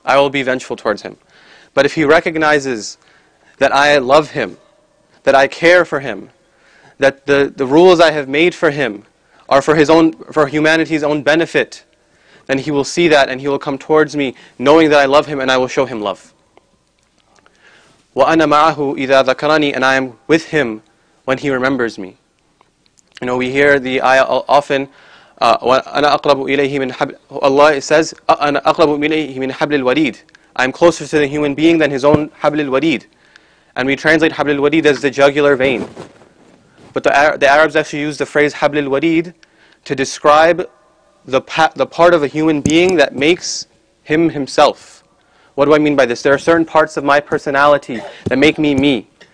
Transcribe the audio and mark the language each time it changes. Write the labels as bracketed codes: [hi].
[en] I will be vengeful towards Him. But if he recognizes that I love him, that I care for him, that the rules I have made for him are for humanity's own benefit, then he will see that and he will come towards me knowing that I love him and I will show him love. [ar] وَأَنَا مَعَهُ إِذَا ذَكَرَنِي. [en] And I am with him when he remembers me. You know, we hear the ayah often, [ar] وَأَنَا أَقْرَبُ إِلَيْهِ مِنْ حَبْلِ. [en] Allah says, [ar] أَنَا أَقْرَبُ إِلَيْهِ مِنْ حَبْلِ الْوَرِيدِ. [en] I'm closer to the human being than his own Habl al-Wadid. And we translate Habl al-Wadid as the jugular vein. But the Arabs actually use the phrase Habl al-Wadid to describe the part of a human being that makes him himself. What do I mean by this? There are certain parts of my personality that make me me.